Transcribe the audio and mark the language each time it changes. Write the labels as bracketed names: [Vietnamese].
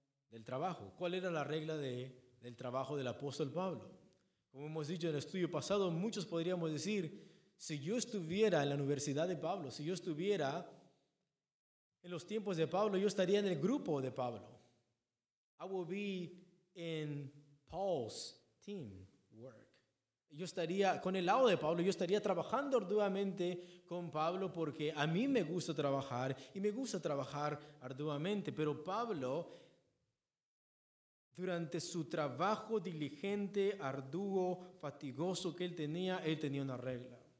[Spanish] del trabajo. ¿Cuál era la regla del trabajo del apóstol Pablo? Como hemos dicho en el estudio pasado, muchos podríamos decir, si yo estuviera en la universidad de Pablo, si yo estuviera en los tiempos de Pablo, yo estaría en el grupo de Pablo. [English] I would be in Paul's team work. [Spanish] Yo estaría con el lado de Pablo, yo estaría trabajando arduamente con Pablo porque a mí me gusta trabajar y me gusta trabajar arduamente. Pero Pablo, durante su trabajo diligente, arduo, fatigoso que él tenía una regla.